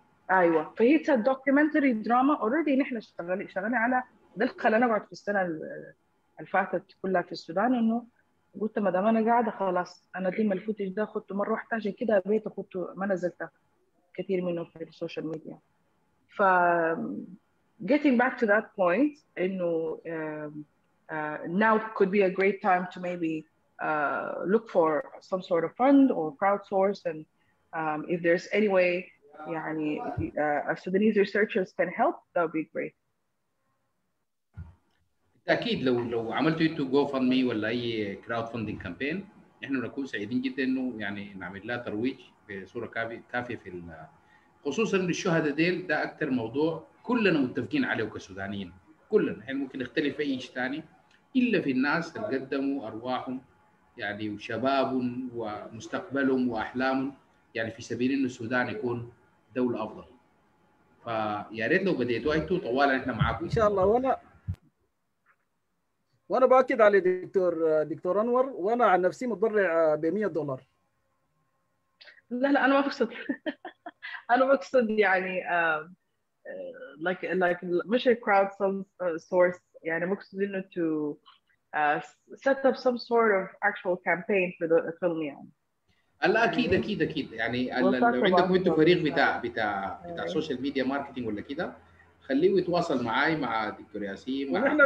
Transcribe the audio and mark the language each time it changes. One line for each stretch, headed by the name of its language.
Arabic: ايوه فهي تا دوكيومنتري دراما اوريدي، نحن شغالين على ده. خلانا نقعد في السنه الفاتت كلها في السودان، انه قلت ما دام انا قاعده خلاص انا ديما الفوتج ده خدته مره واحده، عشان كده بيته خدته ما نزلته كثير منه في السوشيال ميديا.
English: ف getting back to that point انه now could be a great time to maybe look for some sort of fund or crowdsource, and if there's any way يعني Sudanese researchers can help, that would be great.
Arabic: بالتأكيد لو عملتوا انتوا جو فاند مي ولا اي كراود فاندنج كامبين احنا بنكون سعيدين جدا انه يعني نعمل لها ترويج بصوره كافيه في خصوصا للشهداء ديل. ده اكثر موضوع كلنا متفقين عليه كسودانيين كلنا، احنا ممكن نختلف اي شيء ثاني الا في الناس اللي قدموا ارواحهم يعني وشباب ومستقبلهم واحلامهم يعني في سبيل انه السودان يكون دوله افضل. فيا ريت لو بديتوا انتوا طوال احنا معاكم ان شاء الله. وانا باكد على دكتور انور، وانا عن نفسي متضرع ب $100. لا انا ما اقصد انا اقصد يعني
English: like مش crowd source،
Arabic: يعني مقصد انه
English: to set up some sort of actual campaign for the film يعني.
Arabic: لا اكيد اكيد اكيد يعني لو عندكم انتم فريق بتاع سوشيال ميديا ماركتنج ولا كده خليه يتواصل معي مع دكتور ياسين.